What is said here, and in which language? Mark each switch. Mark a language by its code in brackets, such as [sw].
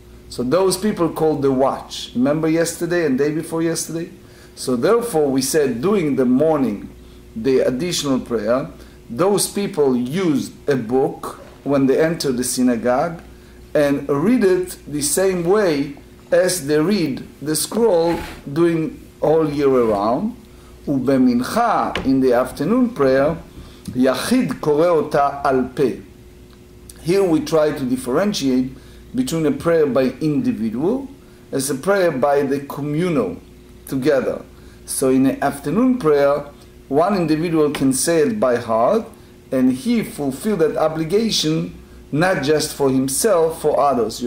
[en] So those people called the watch. Remember yesterday and day before yesterday? So therefore we said during the morning, the additional prayer, those people use a book when they enter the synagogue and read it the same way as they read the scroll during all year around. [he] ובמנחה, [en] in the afternoon prayer, [he] יחיד קורא אותה על פה. [en] Here we try to differentiate between a prayer by individual as a prayer by the communal, together. So in an afternoon prayer, one individual can say it by heart, and he fulfills that obligation not just for himself, for others.